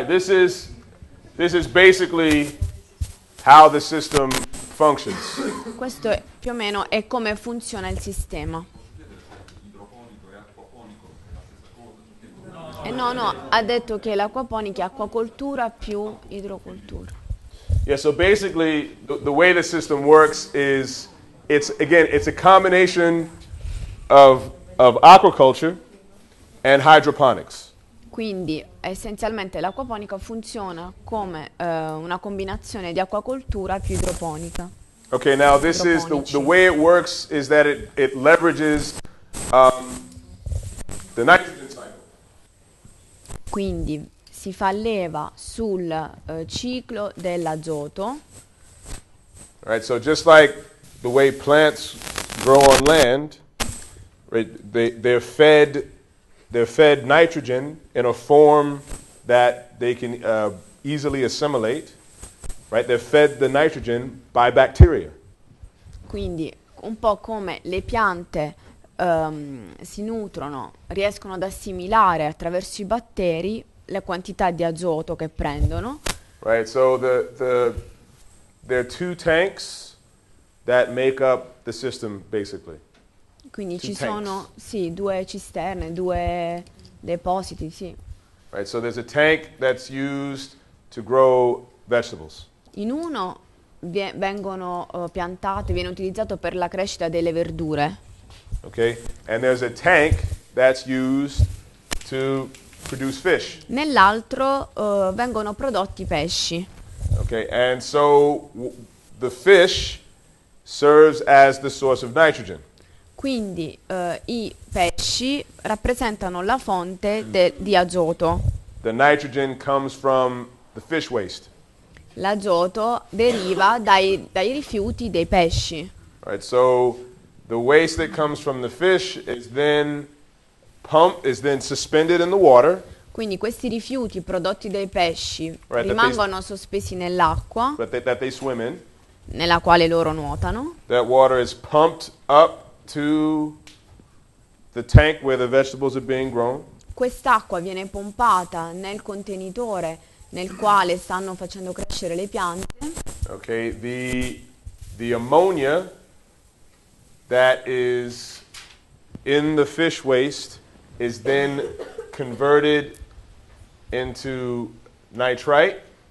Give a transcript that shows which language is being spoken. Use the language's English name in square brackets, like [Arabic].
[English] right, this is basically how the system functions. [Italian] Questo più o meno è come funziona il sistema. No, ha detto che l'acquaponica è acquacoltura più idrocoltura. [English] Yeah, so basically the way the system works is it's a combination of aquaculture and hydroponics. [Italian] Quindi essenzialmente l'acquaponica funziona come una combinazione di acquacoltura più idroponica. [English] Okay, now this is the way it works is that it leverages the nitrogen. [Italian] Quindi si fa leva sul ciclo dell'azoto. [English] Right, so just like the way plants grow on land, right, they're fed nitrogen in a form that they can easily assimilate, right? They're fed the nitrogen by bacteria. [Italian] Quindi un po' come le piante si nutrono, riescono ad assimilare attraverso i batteri la quantità di azoto che prendono. [English] Right, so there are two tanks that make up the system basically. [Italian] Quindi [English] two [Italian] ci [English] tanks. [Italian] Sono sì, due cisterne, due depositi, sì. [English] Right, so there's a tank that's used to grow vegetables. [Italian] In uno vengono piantate, viene utilizzato per la crescita delle verdure. [English] Okay, and there's a tank that's used to produce fish. [Italian] Nell'altro vengono prodotti pesci. [English] Okay, and so the fish serves as the source of nitrogen. [Italian] Quindi i pesci rappresentano la fonte di azoto. [English] The nitrogen comes from the fish waste. [Italian] L'azoto deriva dai rifiuti dei pesci. [English] Right, so the waste that comes from the fish is then pumped, is then suspended in the water. [Italian] Quindi questi rifiuti prodotti dai pesci rimangono sospesi nell'acqua. [English] That they swim in. [Italian] Nella quale loro nuotano. [English] That water is pumped up to the tank where the vegetables are being grown. [Italian] Quest'acqua viene pompata nel contenitore nel quale stanno facendo crescere le piante. [English] Okay, the ammonia that is in the fish waste is then converted into nitrite.